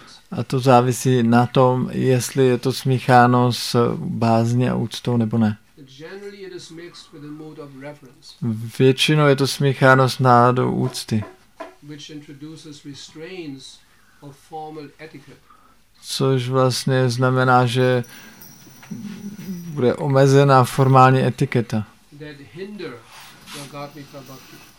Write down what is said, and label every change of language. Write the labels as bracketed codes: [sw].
[cs] A to závisí na tom, jestli je to smícháno s bázní a úctou nebo ne. [en] Generally it is mixed with the mood of reverence. [cs] Většinou je to smícháno s náladou úcty. [en] Which introduces restraints of formal etiquette. [cs] Což vlastně znamená, že bude omezená formální etiketa. [en] That hinder Ragatmika Bhakti.